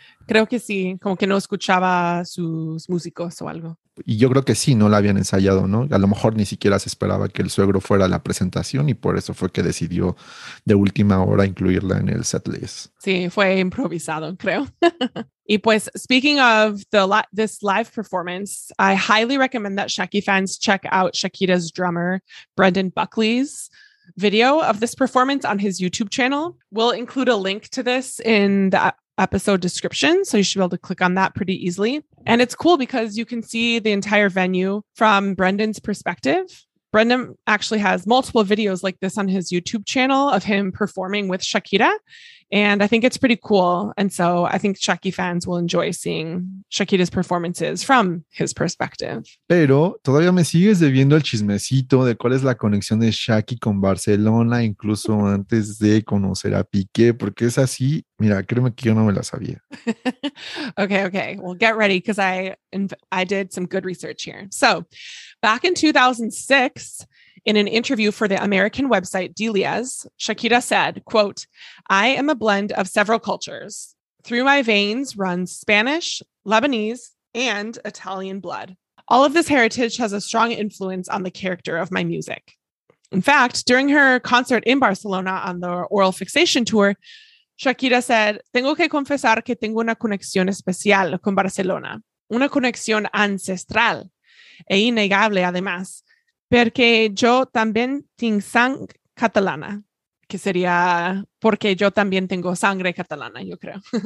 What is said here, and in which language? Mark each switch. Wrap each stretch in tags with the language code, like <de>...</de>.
<es>Creo que sí, como que no escuchaba sus músicos o algo. Y yo creo que sí, no la habían ensayado, ¿no? A lo mejor ni siquiera se esperaba que el suegro fuera a la presentación y por eso fue que decidió de última hora incluirla en el setlist. Sí, fue improvisado, creo. Y pues,</es> <en>speaking of this live performance, I highly recommend that Shaki fans check out Shakira's drummer, Brendan Buckley's video of this performance on his YouTube channel. We'll include a link to this in the episode description, so you should be able to click on that pretty easily. And it's cool because you can see the entire venue from Brendan's perspective. Brendan actually has multiple videos like this on his YouTube channel of him performing with Shakira, and I think it's pretty cool. And so I think Shaki fans will enjoy seeing Shakira's performances from his perspective.</en> <es>Pero todavía me sigues debiendo el chismecito de cuál es la conexión de Shaki con Barcelona, incluso antes de conocer a Piqué, porque es así. Mira, créeme que yo no me la sabía.</es> <en>Okay. Well, get ready because I did some good research here. So back in 2006, in an interview for the American website Delia's, Shakira said, quote, "I am a blend of several cultures. Through my veins runs Spanish, Lebanese, and Italian blood. All of this heritage has a strong influence on the character of my music." In fact, during her concert in Barcelona on the Oral Fixation tour, Shakira said,</en> <es>"Tengo que confesar que tengo una conexión especial con Barcelona, una conexión ancestral e innegable además, porque yo también tengo sangre catalana, que sería porque yo también tengo sangre catalana, yo creo."</es>